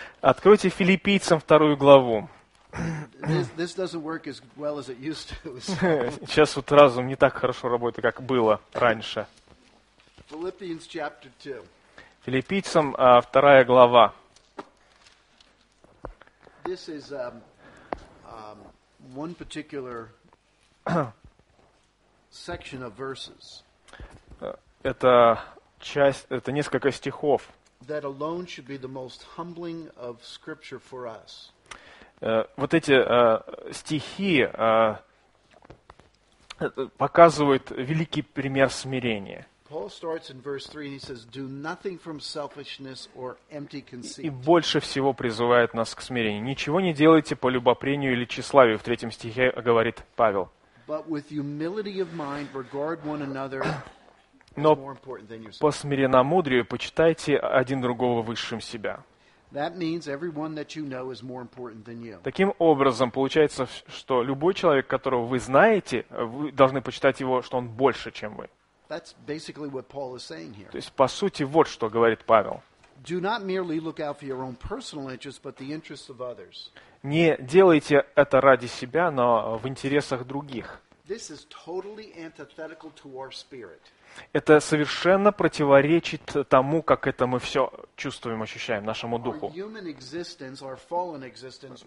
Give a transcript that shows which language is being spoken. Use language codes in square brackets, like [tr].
[ru] Откройте Филиппийцам вторую главу. [en] This doesn't work as well as it used to. [ru] Сейчас вот разум не так хорошо работает, как было раньше. [en] Philippians chapter 2. [ru] Филиппийцам вторая глава. [en] This is one particular section of verses. [ru] Это часть, это несколько стихов. [en] That alone should be the most humbling of scripture for us. [ru] Вот эти стихи показывают великий пример смирения. [en] Paul starts in verse 3 and he says, "Do nothing from selfishness or empty conceit." [ru] И больше всего призывает нас к смирению. Ничего не делайте по любопрению или тщеславию, в третьем стихе говорит Павел. [en] But with humility of mind, regard one another as more important than yourself. [ru] Но по смиренномудрию почитайте один другого высшим себя. [en] That means everyone that you know is more important than you. [ru] Таким образом, получается, что любой человек, которого вы знаете, вы должны почитать его, что он больше, чем вы. [en] That's basically what Paul is saying here. [ru] То есть, по сути, вот что говорит Павел. [en] Do not merely look out for your own personal interests, but the interests of others. [ru] Не делайте это ради себя, но в интересах других. [en] This is totally antithetical to our spirit. [ru] Это совершенно противоречит тому, как это мы все чувствуем, ощущаем, нашему духу. [en] Our human existence, our fallen existence,